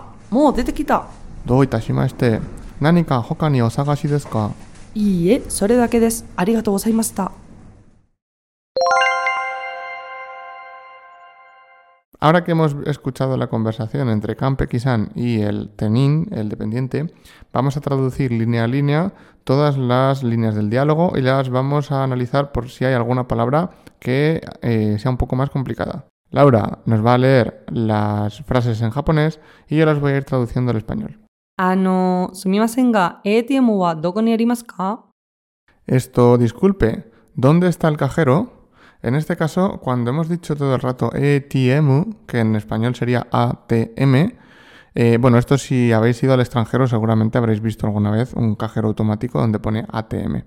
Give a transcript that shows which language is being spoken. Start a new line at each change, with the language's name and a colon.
Japanese: もう出てきた。どういたしまして。何か他にお探しですか？いいえ、それだけです。ありがとうございました。
Spanish: Ahora que hemos escuchado la conversación entre Kanpeki-san y el tenin, el dependiente, vamos a traducir línea a línea todas las líneas del diálogo y las vamos a analizar por si hay alguna palabra que sea un poco más complicada. Laura nos va a leer las frases en japonés y yo las voy a ir traduciendo al español.
Japanese: すみませんが, ATM はどこにありますか?
Spanish: Esto, disculpe, ¿dónde está el cajero? En este caso, cuando hemos dicho todo el rato ATM, que en español sería ATM, bueno, esto si habéis ido al extranjero seguramente habréis visto alguna vez un cajero automático donde pone ATM.